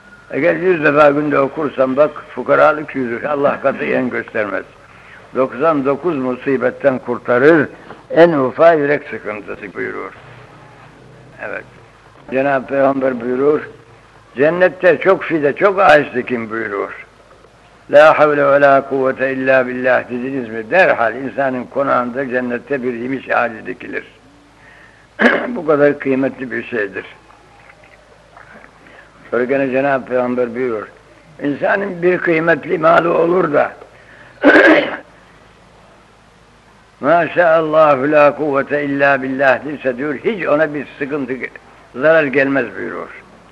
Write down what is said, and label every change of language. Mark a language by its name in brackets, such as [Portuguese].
[Turkish] Eğer 100 defa günde okursan bak, fukaralık yüzü Allah katiyen göstermez. 99 musibetten kurtarır, en ufak yürek sıkıntısı buyurur. Evet, Cenab-ı Peygamber buyurur, cennette çok fide, çok ağaç dikin buyurur. [Arabic] لا حول ولا قوة إلا بالله [Turkish] dediğiniz mi? Derhal insanın konağında cennette bir imiş ağacı dikilir. Bu kadar kıymetli bir şeydir. Sonra gene Cenab-ı Peygamber buyuruyor. İnsanın bir kıymetli malı olur da maşallah la kuvvete illa billah derse diyor, hiç ona bir sıkıntı, zarar gelmez buyuruyor.